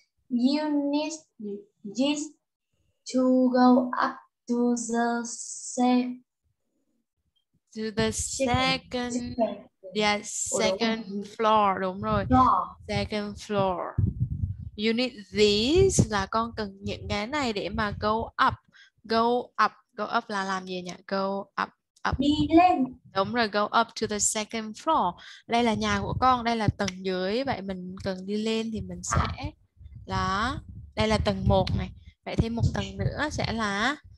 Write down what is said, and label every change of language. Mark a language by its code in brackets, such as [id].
[en] You need this to go up to the second floor, [vi] đúng rồi. [en] Second floor. You need this [vi] là con cần những cái này để mà [en] go up [vi] là làm gì nhỉ? [en] Go up. [vi] Đi lên. Đúng rồi, [en] go up to the second floor. [vi] Đây là nhà của con, đây là tầng dưới, vậy mình cần đi lên thì mình sẽ là đây là tầng 1 này. Vậy thêm một tầng nữa sẽ là